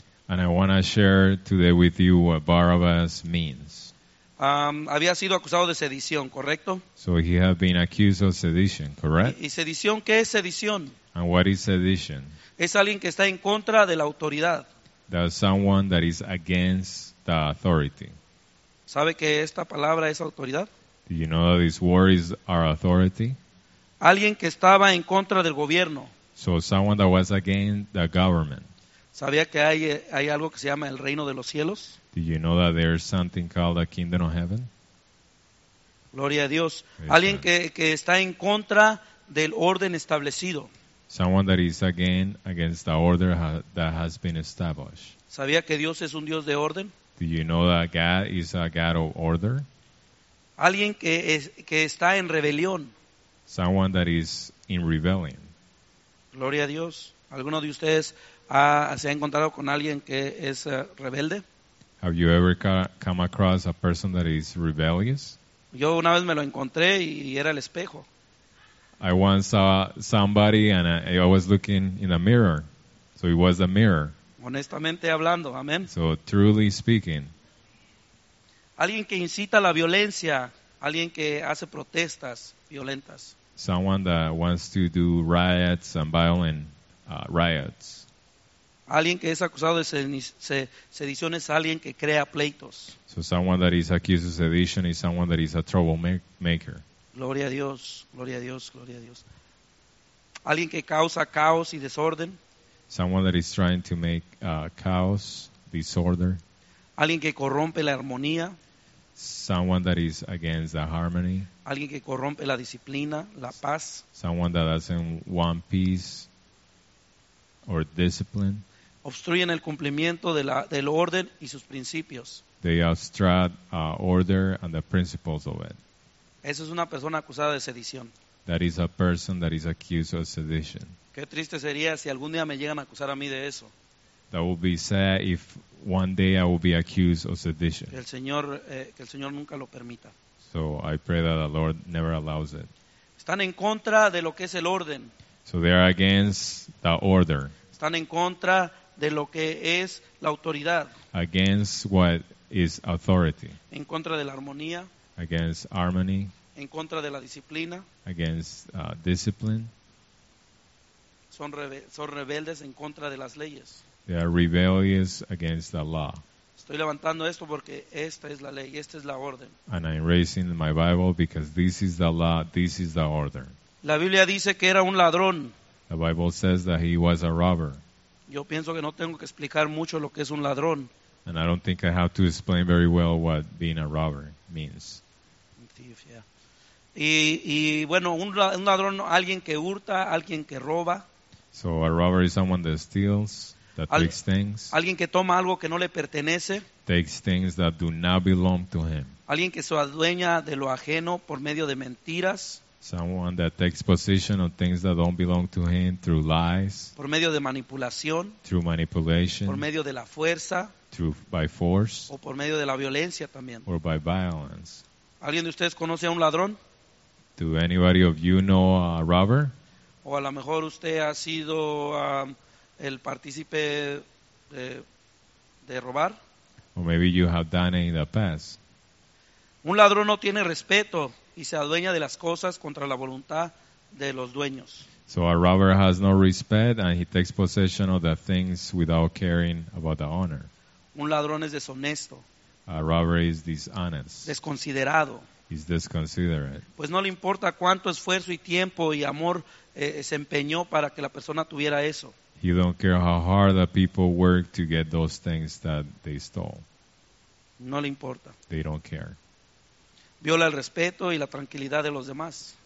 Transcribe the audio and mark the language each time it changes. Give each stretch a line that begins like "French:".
English: And I want to share today with you what Barabbas means.
Spanish: Había sido acusado de sedición, ¿correcto?
English: So he had been accused of sedition, correct?
Spanish: ¿Y sedición? ¿Qué es sedición?
English: And what is sedition?
Spanish: Es alguien que está en contra de la autoridad.
English: That's someone that is against the authority.
Spanish: ¿Sabe que esta palabra es autoridad?
English: Do you know that this word is our authority?
Spanish: Alguien que estaba en contra del gobierno.
English: So someone that was against the government.
Spanish: ¿Sabía que hay algo que se llama el reino de los cielos?
English: Do you know that there is something called the kingdom of heaven?
Spanish: Gloria a Dios.
English: Praise
Spanish: alguien que está en contra del orden establecido.
English: Someone that is against the order that has been established.
Spanish: ¿Sabía que Dios es un Dios de orden?
English: Do you know that God is a God of order?
Spanish: Alguien que está en rebelión.
English: Someone that is in rebellion.
Spanish: Gloria a Dios. ¿Alguno de ustedes se ha encontrado con alguien que es rebelde?
English: Have you ever come across a person that is rebellious?
Spanish: Yo una vez me lo encontré y era el espejo.
English: I once saw somebody and I was looking in a mirror. So it was a mirror.
Spanish: Honestamente hablando, amén.
English: So truly speaking.
Spanish: Alguien que incita a la violencia, alguien que hace protestas violentas.
English: Someone that wants to do riots and violent riots.
Spanish: Alguien que es acusado de sedición es alguien que crea pleitos.
English: So someone that is accused of sedition is someone that is a troublemaker.
Spanish: Gloria a Dios, gloria a Dios, gloria a Dios. Alguien que causa caos y desorden.
English: Someone that is trying to make chaos, disorder.
Spanish: Alguien que corrompe la armonía.
English: Someone that is against the harmony.
Spanish: Alguien que corrompe la disciplina, la paz.
English: Someone that doesn't want peace or discipline.
Spanish: Obstruyen el cumplimiento de del orden y sus principios.
English: They obstruct order and the principles of it.
Spanish: Esa es una persona acusada de sedición.
English: That is a person that is accused of sedition.
Spanish: Qué triste sería si algún día me llegan a acusar a mí de eso.
English: That would be sad if one day I would be accused of sedition.
Spanish: Que el Señor nunca lo permita.
English: So I pray that the Lord never allows it.
Spanish: Están en contra de lo que es el orden.
English: So they are against the order.
Spanish: Están en contra de lo que es la autoridad.
English: Against what is authority.
Spanish: En contra de la armonía.
English: Against harmony.
Spanish: En contra de la disciplina.
English: Against discipline.
Spanish: Son rebeldes en contra de las leyes.
English: They are rebellious against the law.
Spanish: Estoy levantando esto porque esta es la ley, esta es la orden.
English: And I'm raising my Bible because this is the law, this is the order.
Spanish: La Biblia dice que era un ladrón.
English: The Bible says that he was a robber.
Spanish: Yo pienso que no tengo que explicar mucho lo que es un ladrón.
English: And I don't think I have to explain very well what being a robber means. Thief, yeah.
Spanish: Y bueno, un ladrón, alguien que hurta, alguien que roba.
English: So a robber is someone that steals, that takes things.
Spanish: Alguien que toma algo que no le pertenece.
English: Takes things that do not belong to him.
Spanish: Alguien que se adueña de lo ajeno por medio de mentiras.
English: Someone that takes possession of things that don't belong to him through lies.
Spanish: Por medio de manipulación.
English: Through manipulation.
Spanish: Por medio de la fuerza.
English: Through by force.
Spanish: O por medio de la violencia también.
English: Or by violence.
Spanish: ¿Alguien de ustedes conoce a un ladrón?
English: Do anybody of you know a robber?
Spanish: O a lo mejor usted ha sido el partícipe de robar.
English: Or maybe you have done it in the past.
Spanish: Un ladrón no tiene respeto y se adueña de las cosas contra la voluntad de los dueños.
English: So a robber has no respect and he takes possession of the things without caring about the owner.
Spanish: Un ladrón es deshonesto.
English: A robber is dishonest.
Spanish: Desconsiderado.
English: Is disconsiderate.
Spanish: Pues no le importa cuánto esfuerzo y tiempo y amor se empeñó para que la persona tuviera eso.
English: He don't care how hard the people work to get those things that they stole.
Spanish: No le importa.
English: They don't care.
Spanish: Viola el respeto y la tranquilidad de los demás.